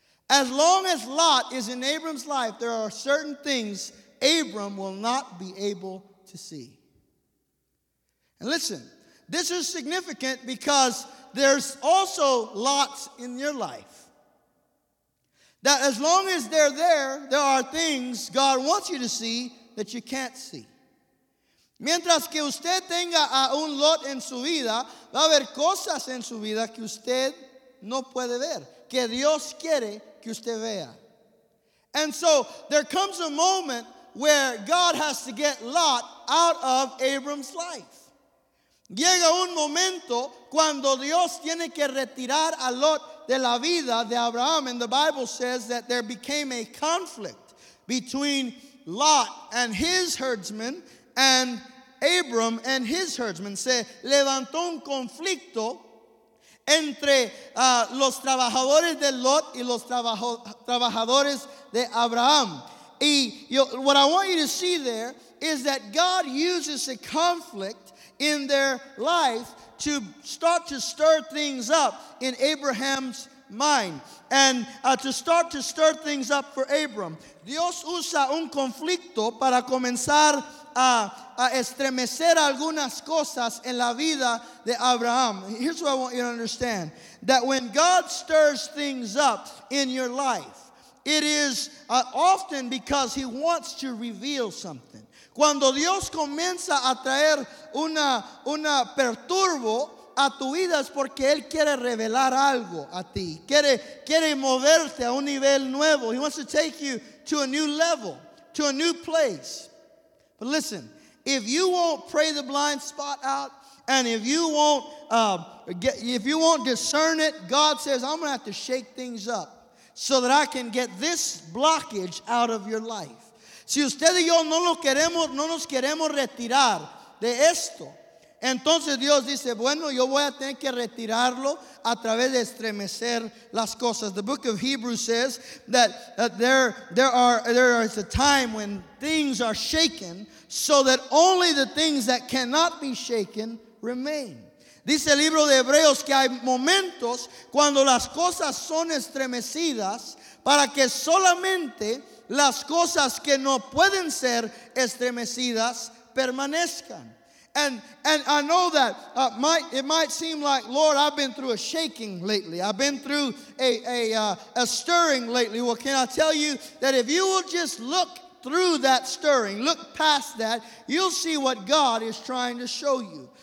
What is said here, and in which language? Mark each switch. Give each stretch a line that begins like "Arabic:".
English: As long as Lot is in Abram's life, there are certain things Abram will not be able to see. And listen, this is significant because there's also lots in your life. That as long as they're there, there are things God wants you to see that you can't see.
Spanish: Mientras que usted tenga a un Lot en su vida, va a haber cosas en su vida que usted no puede ver, que Dios quiere que usted vea.
English: And so there comes a moment where God has to get Lot out of Abram's life.
Spanish: Llega un momento cuando Dios tiene que retirar a Lot de la vida de Abraham.
English: And the Bible says that there became a conflict between Lot and his herdsmen and Abram and his herdsmen.
Spanish: Se levantó un conflicto entre los trabajadores de Lot y los trabajadores de Abraham.
English: What I want you to see there is that God uses a conflict in their life to start to stir things up in Abraham's mind. And to start to stir things up for Abram.
Spanish: Dios usa un conflicto para comenzar a estremecer algunas cosas en la vida de Abraham.
English: Here's what I want you to understand. That when God stirs things up in your life, it is often because he wants to reveal something.
Spanish: Cuando Dios comienza a traer una perturbo a tu vida es porque Él quiere revelar algo a ti.
English: Quiere moverte a un nivel nuevo. He wants to take you to a new level, to a new place. But listen, if you won't pray the blind spot out, and if you won't discern it, God says, I'm going to have to shake things up so that I can get this blockage out of your life.
Spanish: Si usted y yo no nos queremos retirar de esto, entonces Dios dice, bueno, yo voy a tener que retirarlo a través de estremecer las cosas.
English: The book of Hebrews says that there is a time when things are shaken so that only the things that cannot be shaken remain.
Spanish: Dice el libro de Hebreos que hay momentos cuando las cosas son estremecidas para que solamente las cosas que no pueden ser estremecidas permanezcan.
English: And I know that it might seem like, Lord, I've been through a shaking lately. I've been through a stirring lately. Well, can I tell you that if you will just look through that stirring. Look past that. You'll see what God is trying to show you.